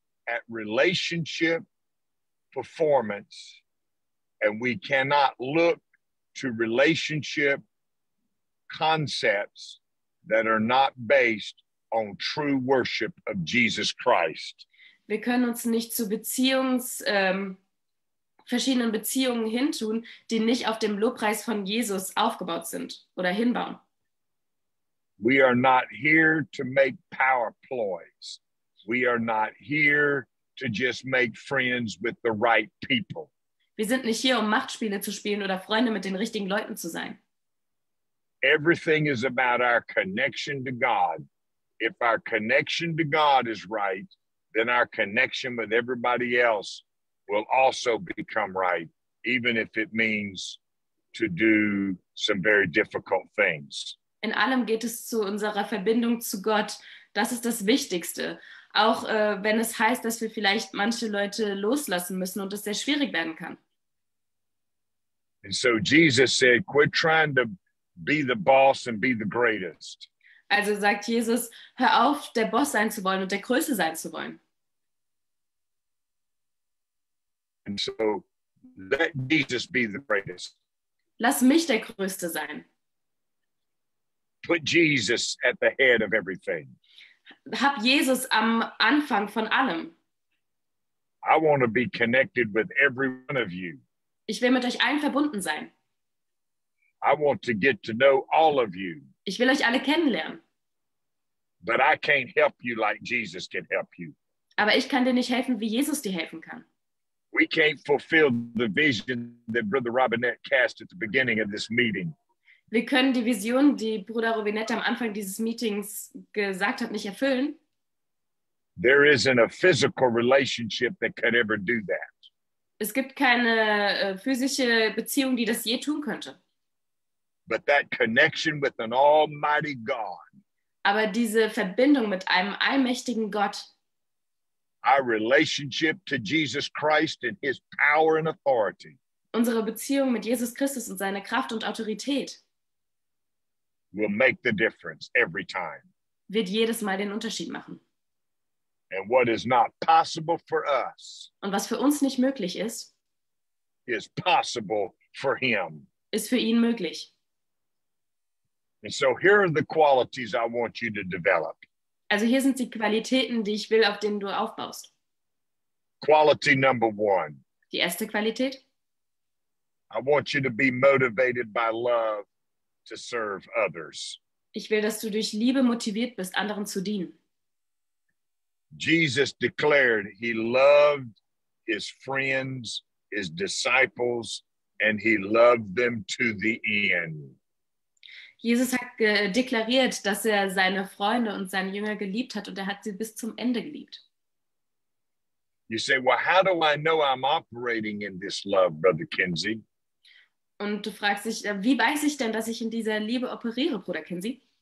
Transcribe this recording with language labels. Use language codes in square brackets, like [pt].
[en] at relationship performance, and we cannot look to relationship concepts that are not based on true worship of Jesus Christ. [de] Wir können uns nicht zu verschiedenen Beziehungen hintun, die nicht auf dem Lobpreis von Jesus aufgebaut sind oder hinbauen. [en] We are not here to make power ploys. We are not here to just make friends with the right people. [de] Wir sind nicht hier, um Machtspiele zu spielen oder Freunde mit den richtigen Leuten zu sein. [en] Everything is about our connection to God. If our connection to God is right, then our connection with everybody else will also become right, even if it means to do some very difficult things. [de] In allem geht es zu unserer Verbindung zu Gott. Das ist das Wichtigste. Auch wenn es heißt, dass wir vielleicht manche Leute loslassen müssen und es sehr schwierig werden kann. [en] And so Jesus said, quit trying to be the boss and be the greatest. [de] Also sagt Jesus, hör auf, der Boss sein zu wollen und der Größte sein zu wollen. [en] And so let Jesus be the greatest. [de] Lass mich der Größte sein. [en] Put Jesus at the head of everything. [de] Hab Jesus am Anfang von allem. [en] I want to be connected with every one of you. [de] Ich will mit euch allen verbunden sein. [en] I want to get to know all of you. [de] Ich will euch alle kennenlernen. [en] But I can't help you like Jesus can help you. [de] Aber ich kann dir nicht helfen, wie Jesus dir helfen kann. [en] We can't fulfill the vision that Brother Robinette cast at the beginning of this meeting. [de] Wir können die Vision, die Bruder Robinette am Anfang dieses Meetings gesagt hat, nicht erfüllen. [en] There isn't a physical relationship that could ever do that. [de] Es gibt keine physische Beziehung, die das je tun könnte. [en] But that connection with an almighty God. [de] Aber diese Verbindung mit einem allmächtigen Gott. [en] Our relationship to Jesus Christ and his power and authority. [de] Unsere Beziehung mit Jesus Christus und seiner Kraft und Autorität. [en] Will make the difference every time. [de] Wird jedes Mal den Unterschied machen. [en] And what is not possible for us. [de] Und was für uns nicht möglich ist. [en] Is possible for him. [de] Ist für ihn möglich. [en] And so here are the qualities I want you to develop. [de] Also hier sind die Qualitäten, die ich will, auf denen du aufbaust. [en] Quality number one. [de] Die erste Qualität. [en] I want you to be motivated by love. To serve others. [de] Ich will, dass du durch Liebe motiviert bist, anderen zu dienen. [en] Jesus declared he loved his friends, his disciples, and he loved them to the end. [de] Jesus hat deklariert, dass er seine Freunde und seine Jünger geliebt hat und er hat sie bis zum Ende geliebt. [en] You say, well, how do I know I'm operating in this love, Brother Kinsey? [de] Und du fragst dich, wie weiß ich denn, dass ich in dieser Liebe operiere, Bruder Kinsey?